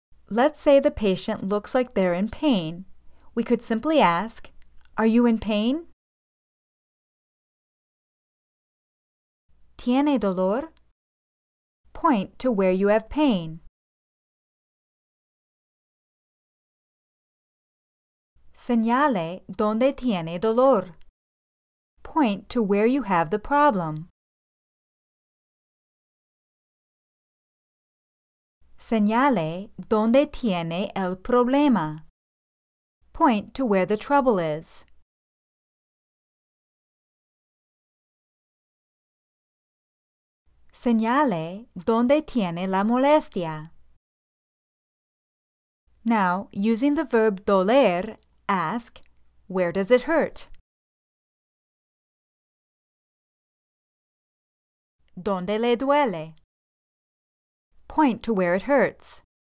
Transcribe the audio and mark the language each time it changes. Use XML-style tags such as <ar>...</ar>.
<en>Let's say the patient looks like they're in pain. We could simply ask, are you in pain?</en> <es>¿Tiene dolor?</es> <en>Point to where you have pain.</en> <es>Señale dónde tiene dolor.</es> <en>Point to where you have the problem.</en> <es>Señale dónde tiene el problema.</es> <en>Point to where the trouble is.</en> <es>Señale dónde tiene la molestia.</es> <en>Now, using the verb doler, ask, where does it hurt?</en> <es>¿Dónde le duele?</es> <en>Point to where it hurts.</en>